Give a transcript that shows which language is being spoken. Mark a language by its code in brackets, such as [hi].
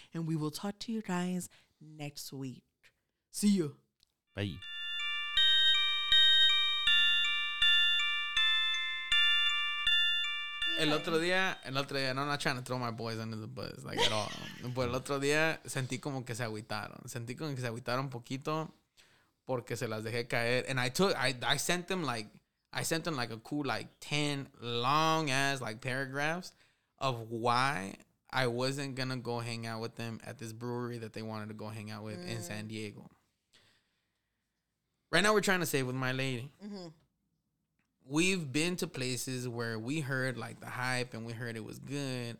[en] And we will talk to you guys next week. See you. Bye. [es] El otro día, no, [en] I'm not trying to throw my boys under the bus, like, at all. [es] But el otro día, sentí como que se agüitaron. Sentí como que se agüitaron un poquito porque se las dejé caer. [en] And I sent them, like, a cool, like, 10 long-ass, like, paragraphs of why I wasn't going to go hang out with them at this brewery that they wanted to go hang out with in San Diego. Right now, we're trying to save with my lady. Mm-hmm. We've been to places where we heard, like, the hype and we heard it was good.